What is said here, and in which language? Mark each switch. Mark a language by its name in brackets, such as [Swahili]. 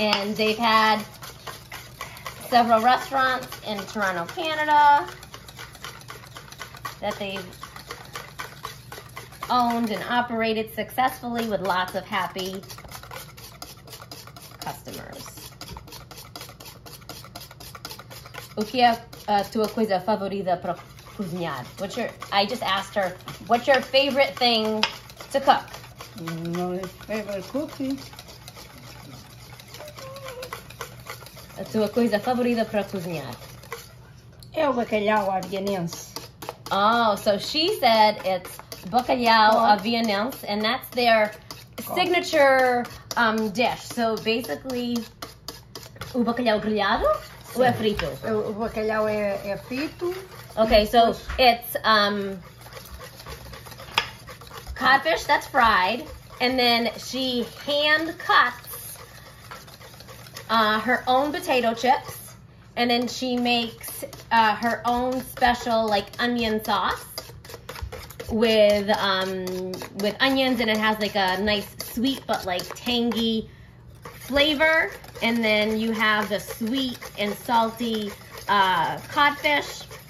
[English] And they've had several restaurants in Toronto, Canada that they've owned and operated successfully with lots of happy customers. [Portuguese] O que é a tua coisa favorita para cozinhar? [English] What's your, I just asked her, what's your favorite thing to cook? My favorite cookie. [Portuguese] A tua coisa favorita para cozinhar? É o bacalhau avianense. [English] Oh, so she said it's bacalhau avianense, and that's their signature dish. So basically, [Portuguese] o bacalhau grelhado ou é frito? O bacalhau é frito. [English] Okay, so it's codfish that's fried, and then she hand cuts her own potato chips, and then she makes her own special like onion sauce with onions, and it has like a nice sweet but like tangy flavor, and then you have the sweet and salty codfish.